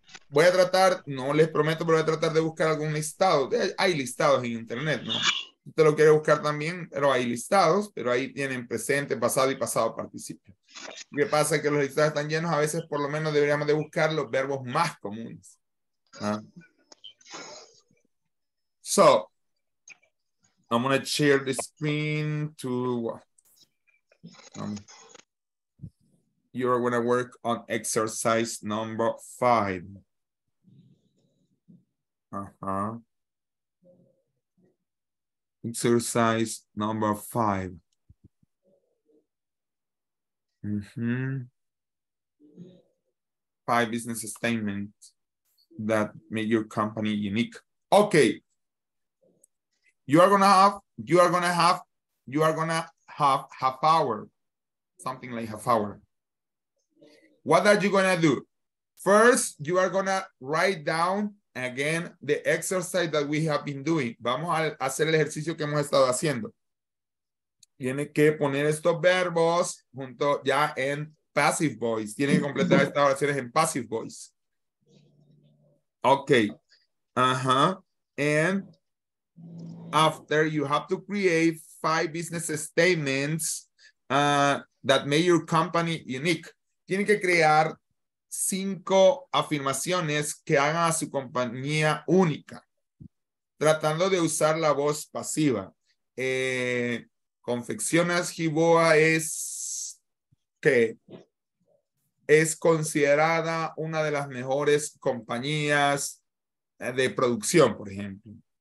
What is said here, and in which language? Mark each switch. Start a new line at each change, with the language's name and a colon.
Spanish: Voy a tratar, no les prometo, pero voy a tratar de buscar algún listado. Hay listados en internet, ¿no? Usted lo quiere buscar también, pero hay listados, pero ahí tienen presente, pasado y pasado participio. Lo que pasa es que los listados están llenos, a veces por lo menos deberíamos de buscar los verbos más comunes. ¿No?
English: So, I'm going to share the screen to... You're going to work on exercise number 5. Exercise number 5. Five business statements that make your company unique. Okay. You are going to have half hour. Something like half hour. What are you gonna do? First, you are gonna write down again the exercise that we have been doing.
Spanish: Vamos a hacer el ejercicio que hemos estado haciendo. Tiene que poner estos verbos junto ya en passive voice. Tiene que completar estas oraciones en passive voice.
English: Okay. And after, you have to create 5 business statements that make your company unique.
Spanish: Tienen que crear 5 afirmaciones que hagan a su compañía única, tratando de usar la voz pasiva. Confecciones Jiboa es que es considerada una de las mejores compañías de producción, por ejemplo.